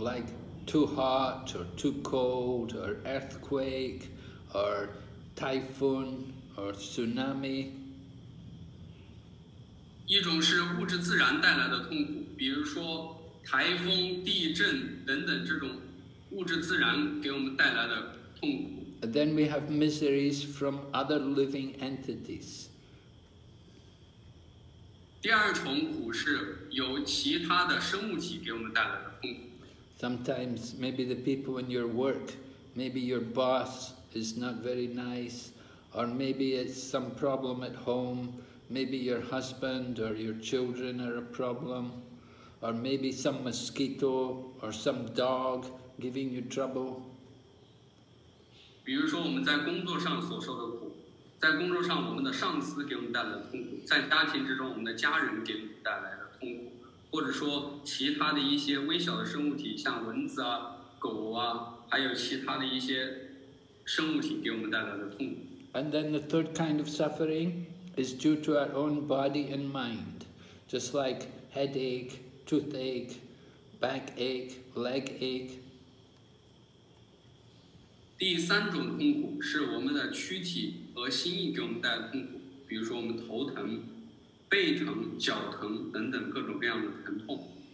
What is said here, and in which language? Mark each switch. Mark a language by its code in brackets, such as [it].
[en] ，like too hot or too cold or earthquake or typhoon or tsunami。 [zh] 一种是物质自然带来的痛苦，比如说台风、地震等等这种物质自然给我们带来的痛苦。 [en] Then we have miseries from other living entities. [zh] 第二重苦是由其他的生物体给我们带来的痛苦。 [en] Sometimes maybe the people in your work, maybe your boss is not very nice, or maybe it's some problem at home, maybe your husband or your children are a problem, or maybe some mosquito or some dog giving you trouble. [zh] 比如说我们在工作上所受的苦。在工作上，我们的上司给我们带来的痛苦；在家庭之中，我们的家人给我们带来的痛苦；或者说，其他的一些微小的生物体，像蚊子啊、狗啊，还有其他的一些生物体给我们带来的痛苦。 [en] And then the third kind of suffering is due to our own body and mind, just like headache, toothache, backache, legache. [zh] 第三种痛苦是我们的躯体和心意给我们带来的痛苦，比如说我们头疼、背疼、脚疼等等各种各样的疼痛。